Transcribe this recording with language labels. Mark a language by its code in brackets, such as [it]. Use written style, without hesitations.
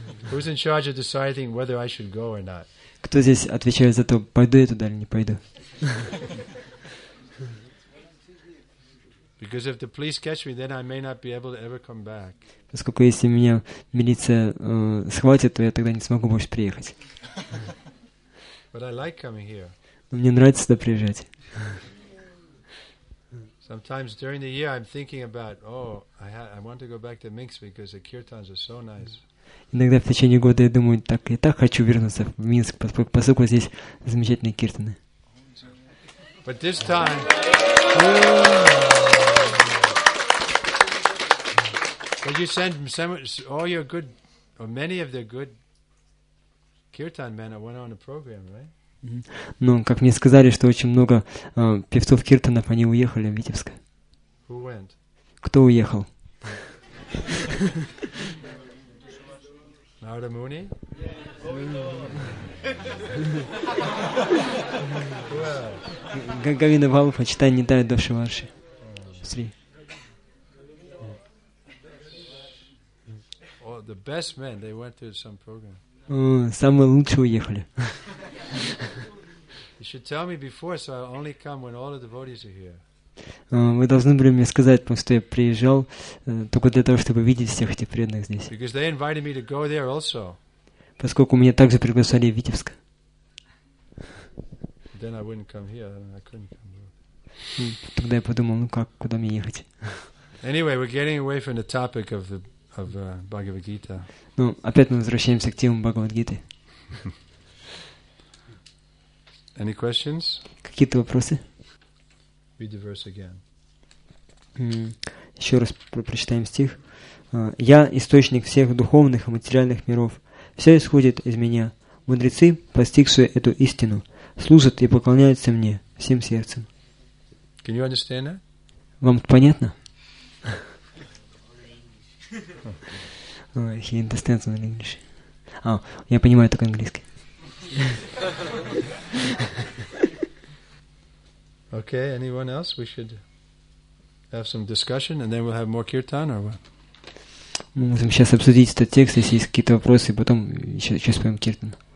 [en] Who's in charge of deciding whether I should go or not? [ru] Кто здесь отвечает за то, пойду я туда или не пойду? [en] Because if the police catch me, then I may not be able to ever come back. [ru] Поскольку если меня милиция схватит, то я тогда не смогу больше приехать. [en] But I like coming here. [ru] Мне нравится сюда приезжать. [en] Sometimes during the year I'm thinking about, oh, I want to go back to Minsk because the kirtans are so nice. [ru] Иногда в течение года я думаю, так я так хочу вернуться в Минск, поскольку здесь замечательные киртаны. [en] But this time. But you send all your good, or many of the good kirtan men that went on the program, right? [ru] Ну, как мне сказали, что очень много певцов киртанов, они уехали в Витебск. [en] Who went? [ru] Кто уехал? [en] Narada Muni? Гагавина Валупа, читай, не дай души ваши. [ru] Смотри. [en] The best men, they went to some program. [ru] Самые лучшие уехали. [en] You should tell me before, so I only come when all the devotees are here. [ru] Вы должны были мне сказать, потому что я приезжал только для того, чтобы видеть всех этих преданных здесь. [en] Because they invited me to go there also. [ru] Поскольку меня также пригласили в Витебск. [en] Then I wouldn't come here. I couldn't come here. [ru] Тогда я подумал, ну как, куда мне ехать? [en] Anyway, we're getting away from the topic of the Bhagavad Gita. [ru] Ну, опять мы возвращаемся к теме Бхагавад Гиты. [en] Any questions? [ru] Какие-то вопросы? [en] Read the verse again. [ru] Еще раз прочитаем стих. Я источник всех духовных и материальных миров. Все исходит из меня. Мудрецы, постигшие эту истину, служат и поклоняются мне всем сердцем. [en] Can you understand that? [ru] Вам понятно? [en] Oh, he understands in English. [ru] А, я понимаю только английский. [en] Okay, anyone else? We should have some discussion and then we'll have more kirtan or what? [ru] Мы можем сейчас обсудить этот текст, если есть какие-то вопросы, потом еще споем киртан.